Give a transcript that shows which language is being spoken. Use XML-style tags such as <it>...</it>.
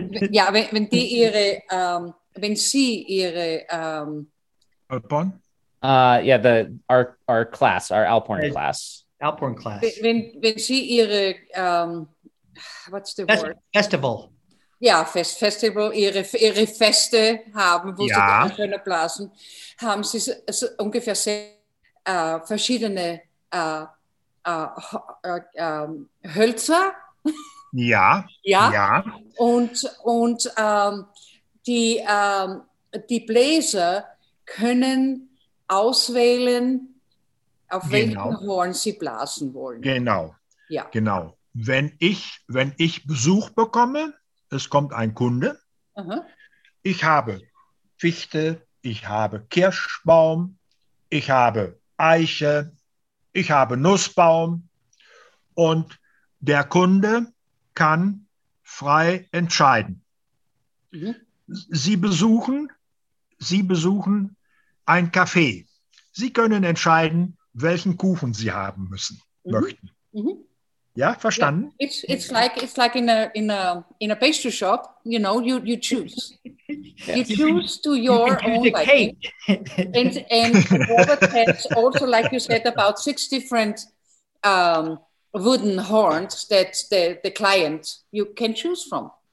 <en>Yeah, when</en> <de>sie ihre</de> <en>Alphorn? Our class, our Alphorn class. Alphorn class. When she ihre, what's the word? Festival. Yeah, festival.</en> <de>Ihre Feste haben, wo sie die Alphorn blasen, haben sie so ungefähr verschiedene Hölzer. Ja. Ja. Ja. Und die Bläser können auswählen, auf welchen Horn sie blasen wollen. Genau. Ja. Genau. Wenn ich Besuch bekomme, es kommt ein Kunde, ich habe Fichte, ich habe Kirschbaum, ich habe Eiche, ich habe Nussbaum und der Kunde kann frei entscheiden. Mhm. Sie besuchen ein Café. Sie können entscheiden, welchen Kuchen Sie haben müssen, möchten. Mhm. Ja, verstanden? Yeah.</de> <en>It's like in a pastry shop, you know, you choose. You choose to your you own cake. And Robert has also, like you said, about 6 different wooden horns that the client you can choose from.</en>